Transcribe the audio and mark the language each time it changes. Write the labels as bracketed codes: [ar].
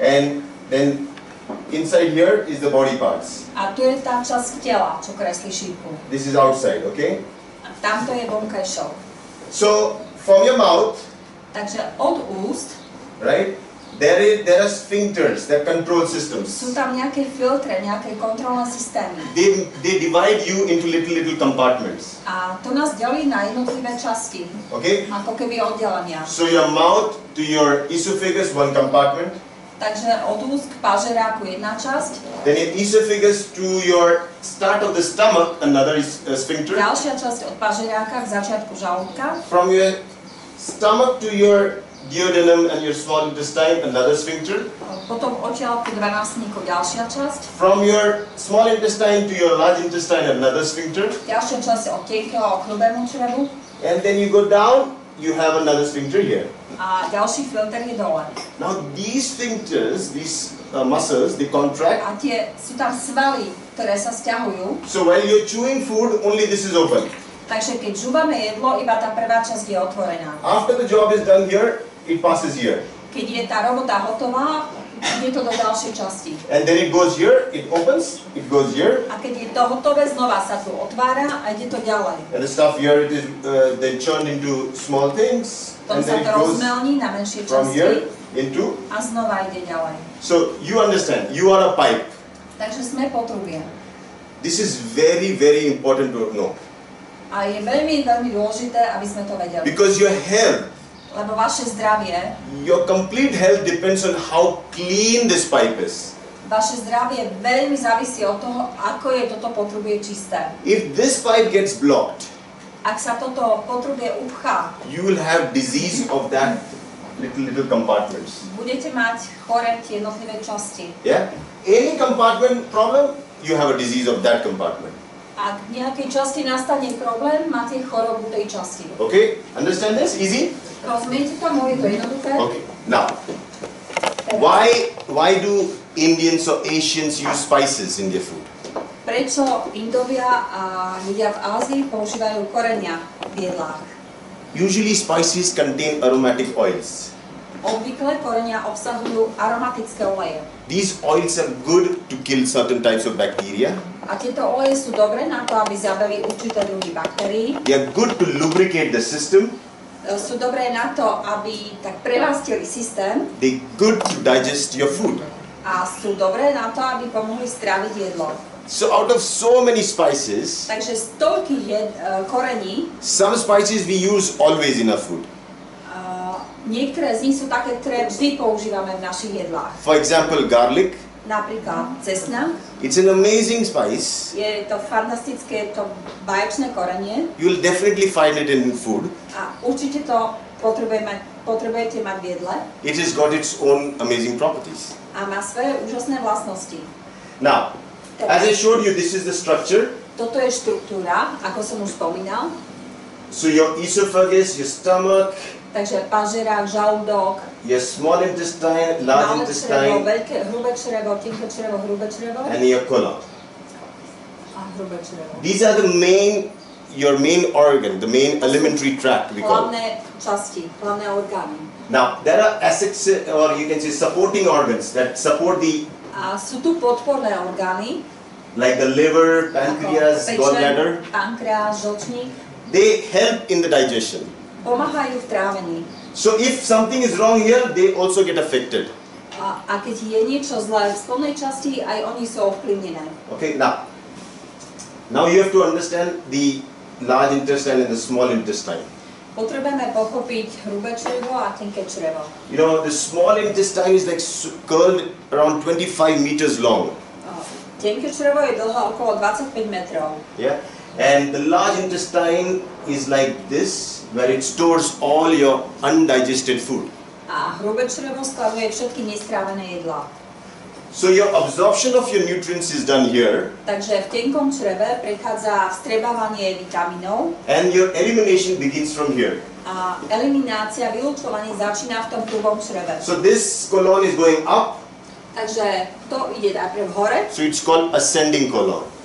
[en] And then inside here is the body parts. [sk] A tu je tá časť tela, čo kreslí šípku. [en] This is outside, okay? [sk] A tamto je vonkajšok. [en] So, from your mouth. [sk] Takže od úst. [en] Right? There are sphincters, there are control systems. [sk] Sú tam nejaké filtre, nejaké kontrolné systémy. [en] They divide you into little compartments. [sk] A to nás delí na jednotlivé časti. [en] Okay? [sk] Ako keby oddelenia. [en] So your mouth to your esophagus, one compartment. [sk] Takže od úst k pažeráku jedna časť. [en] Then your esophagus to your start of the stomach, another sphincter. [sk] Ďalšia časť od pažeráka k začiatku žalúdka. [en] From your stomach to your duodenum and your small intestine, another sphincter. [sk] Potom odtiaľ k dvanástniku ďalšia časť. [en] From your small intestine to your large intestine, another sphincter. [sk] Ďalšia časť od tenkého k hrubému črevu. [en] And then you go down, you have another sphincter here. [sk] A ďalší filter je dole. [en] Now these sphincters, these muscles, they contract. [sk] A tie sú tam svaly, ktoré sa sťahujú. [en] So while you're chewing food, only this is open. [sk] Takže keď žúvame jedlo, iba tá prvá časť je otvorená. [en] After the job is done here, it passes here. [sk] Keď je tá robota hotová, ide to do ďalšej časti. [en] And then it goes here, it opens, it goes here. [sk] A keď je to hotové, znova sa tu otvára a ide to ďalej. [en] And the stuff here, it is then churned into small things. [sk] Potom sa to rozmelní na menšie časti. [en] From here into? [sk] A znova ide ďalej. [en] So you understand, you are a pipe. [sk] Takže sme potrubie. [en] This is very, very important to know. [sk] A je veľmi, veľmi dôležité, aby sme to vedeli. [en] Because your health, [sk] lebo vaše zdravie, [en] your complete health depends on how clean this pipe is. [sk] Vaše zdravie veľmi závisí od toho, ako je toto potrubie čisté. [en] If this pipe gets blocked, [sk] ak sa toto potrubie upchá, [en] you will have disease of that little compartments. [sk] Budete mať chore tie jednotlivé časti. [en] Yeah? Any compartment problem, you have a disease of that compartment. [sk] Ak v nejakej časti nastane problém, máte chorobu tej časti. [en] OK, understand this? Easy? [sk] Rozumiete to? Môže to jednoduché? [en] OK, now, why do Indians or Asians use spices in their food? [sk] Prečo Indovia a ľudia v Ázii používajú korenia v jedlách? [en] Usually spices contain aromatic oils. [sk] Obvykle korenia obsahujú aromatické oleje. [en] These oils are good to kill certain types of bacteria. [sk] A tieto oleje sú dobré na to, aby zabili určité druhy baktérií. [en] They are good to lubricate the system. [sk] Sú dobré na to, aby tak prelastili systém. [en] They are good to digest your food. [sk] A sú dobré na to, aby pomohli stráviť jedlo. [en] So out of so many spices, [sk] takže z toľkých korení, [en] some spices we use always in our food. [sk] Niektoré z nich sú také, ktoré vždy používame v našich jedlách. [en] For example, garlic. [sk] Napríklad cesnak. [en] It's an amazing spice. [sk] Je to fantastické, je to báječné korenie. [en] You'll definitely find it in food. [sk] A určite to potrebujete mať v jedle. [en] It has got its own amazing properties. [sk] A má svoje úžasné vlastnosti. [en] Now, as I showed you, this is the structure. [sk] Toto je štruktúra, ako som už spomínal. [en] So your esophagus, your stomach. [sk] Takže pažerák, žalúdok. [en] Your small intestine, large intestine. [sk] Malé črevo, veľké, hrubé črevo, tenké črevo, hrubé črevo. [en] And your colon. [sk] A hrubé črevo. [en] These are the main, your main organ, the main alimentary tract, we call. [sk] Hlavné časti, hlavné orgány. [en] Now, there are assets, or you can say supporting organs that support the... [sk] A sú tu podporné orgány. [en] Like the liver, pancreas, gallbladder. [sk] Pankreas, žlčník. [en] They help in the digestion. [sk] Pomáhajú v trávení. [en] So if something is wrong here, they also get affected. [sk] A keď je niečo zlé v spodnej časti, aj oni sú ovplyvnené. [en] Okay, now you have to understand the large intestine and the small intestine. [sk] Potrebujeme pochopiť hrubé črevo a tenké črevo. [en] You know, the small intestine is like curled around 25 meters long. [sk] Tenké črevo je dlho okolo 25 metrov. [en] Yeah. [sk] And the large intestine is like this, where it stores all your undigested food. [en] A hrubé črevo skladuje všetky nestrávené jedlá. So your absorption of your nutrients is done here. [sk] Takže v tenkom čreve prechádza vstrebávanie vitamínov. [en] And your elimination begins from here. [sk] A eliminácia, vylučovanie začína v tom hrubom čreve. [en] So this colon is going up. [sk] Takže to ide naprv hore. [en] So it's called ascending colon.